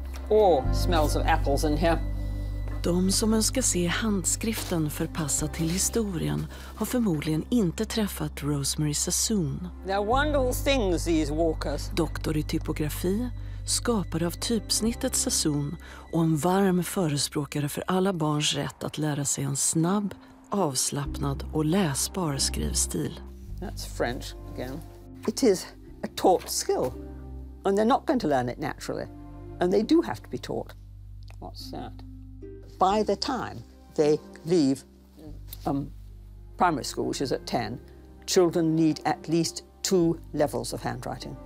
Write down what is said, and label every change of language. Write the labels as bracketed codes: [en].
[en] Oh, smells of apples in here. [sv] De som önskar se handskriften förpassad till historien har förmodligen inte träffat Rosemary Sassoon. [en] They're wonderful things, these walkers. [sv] Doktor i typografi, skapare av typsnittet Sassoon och en varm förespråkare för alla barns rätt att lära sig en snabb, avslappnad och läsbar skrivstil. [en] That's French again. It is a taught skill. And they're not going to learn it naturally. And they do have to be taught. What's that? By the time they leave primary school, which is at 10, children need at least 2 levels of handwriting.